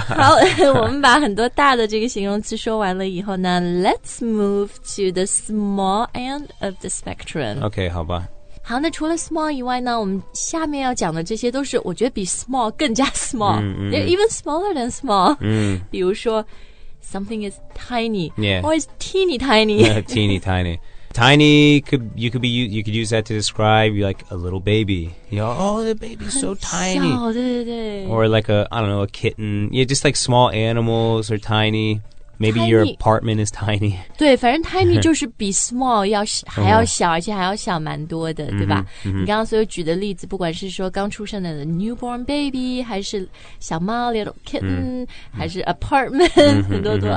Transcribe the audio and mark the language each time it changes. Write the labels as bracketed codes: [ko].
[zh] 好我们把很多大的这个形容词说完了以后呢 [en] Let's move to the small end of the spectrum. Okay, [zh] 好吧好那除了 small 以外呢我们下面要讲的这些都是我觉得比 small 更加 small [en] even smaller than small [zh] 比如说 [en] something is tiny、 yeah. or is teeny tiny teeny tiny tiny you could use that to describe like a little baby you know, oh the baby's so tiny [zh] 小对对对 [en] or like a I don't know a kitten yeah just like small animals are tinyMaybe tiny, your apartment is tiny. [zh] 对，反正 tiny 就是比 small 要还要小，而且还要小蛮多的，对吧？ [en] Mm-hmm, mm-hmm. [zh] 你刚刚所有举的例子，不管是说刚出生的 newborn baby， 还是小猫 little kitten，、 [en] mm-hmm. [zh] 还是 apartment，、 [en] mm-hmm, [zh] 很多都、mm-hmm.